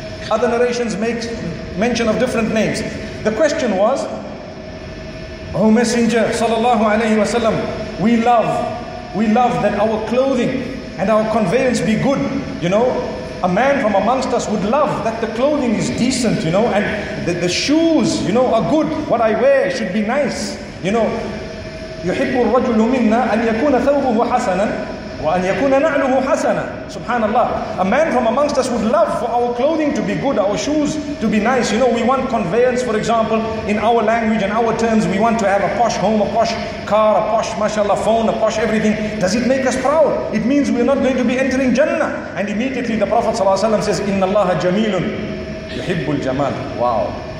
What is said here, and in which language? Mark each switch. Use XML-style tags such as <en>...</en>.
<en>Other narrations make mention of different names. The question was, O Messenger sallallahu alayhi wa sallam, we love that our clothing and our conveyance be good. You know, a man from amongst us would love that the clothing is decent, you know, and that the shoes, you know, are good. What I wear should be nice, you know.</en> <ar>يحب الرجل منا أن يكون ثوبه حسنا وأن يكون نعله حسنا. Subhanallah.</ar> <en>A man from amongst us would love for our clothing to be good, our shoes to be nice. You know, we want conveyance, for example, in our language and our terms. We want to have a posh home, a posh car, a posh, mashallah, phone, a posh everything. Does it make us proud? It means we're not going to be entering Jannah. And immediately the Prophet ﷺ says,</en> <ar>إِنَّ اللَّهَ جَمِيلٌ يُحِبُّ الْجَمَالِ.</ar> <en>Wow.</en>